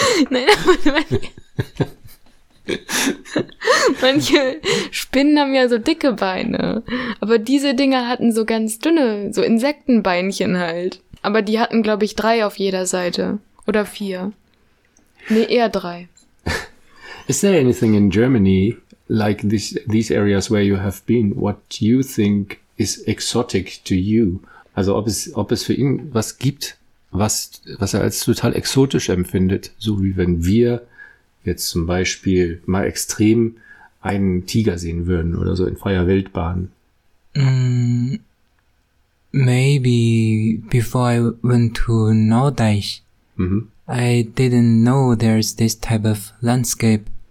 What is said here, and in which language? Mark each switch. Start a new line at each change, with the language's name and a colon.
German: Nein, aber manche Spinnen haben ja so dicke Beine, aber diese Dinger hatten so ganz dünne, so Insektenbeinchen halt. Aber die hatten, glaube ich, 3 auf jeder Seite oder 4. Nee, eher 3.
English: Is there anything in Germany, like these areas where you have been, what you think is exotic to you?
German: Also ob es für ihn was gibt, was er als total exotisch empfindet, so wie wenn wir jetzt zum Beispiel mal extrem einen Tiger sehen würden oder so in freier Wildbahn.
English: Maybe before I went to Norddeich, I didn't know there's this type of landscape.